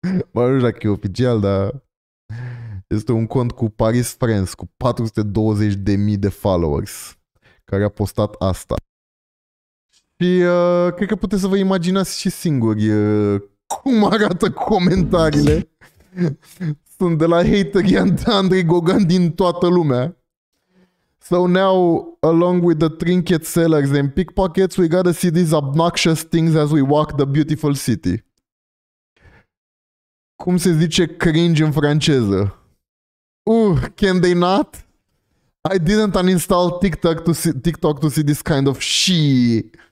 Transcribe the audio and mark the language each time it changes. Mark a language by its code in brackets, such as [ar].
[ro] Mă rog dacă e oficial, dar este un cont cu Paris Friends cu 420.000 de followers care a postat asta. Și cred că puteți să vă imaginați și singuri cum arată comentariile. Sunt de la hateri Andrei Gogan din toată lumea. [en] So now, along with the trinket sellers and pickpockets, we gotta see these obnoxious things as we walk the beautiful city. [ro] Cum se zice cringe în franceză? [en] Can they not? I didn't uninstall TikTok to see this kind of she.